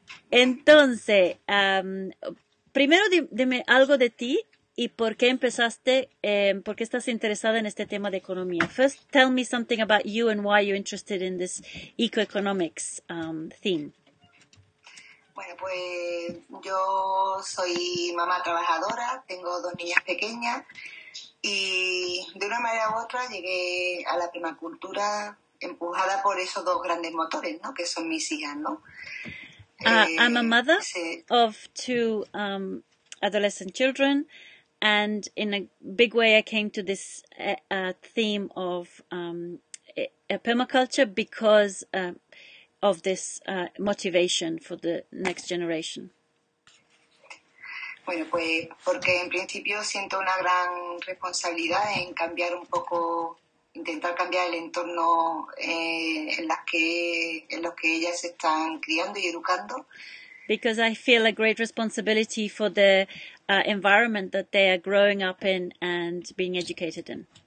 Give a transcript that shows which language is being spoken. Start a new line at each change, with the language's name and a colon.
Spanish: Entonces, primero dime algo de ti y por qué empezaste, por qué estás interesada en este tema de economía.
English: First, tell me something about you and why you're interested in this eco-economics theme.
Spanish: Bueno, pues yo soy mamá trabajadora, tengo dos niñas pequeñas y de una manera u otra llegué a la permacultura empujada por esos dos grandes motores, ¿no? Que son mis hijas, ¿no?
English: I'm a mother of two adolescent children, and in a big way, I came to this theme of a permaculture because of this motivation for the next generation.
Spanish: Bueno, pues porque en principio siento una gran responsabilidad en cambiar un poco, intentar cambiar el entorno en los que ellas se están criando y educando.
English: Because I feel a great responsibility for the environment that they are growing up in and being educated in.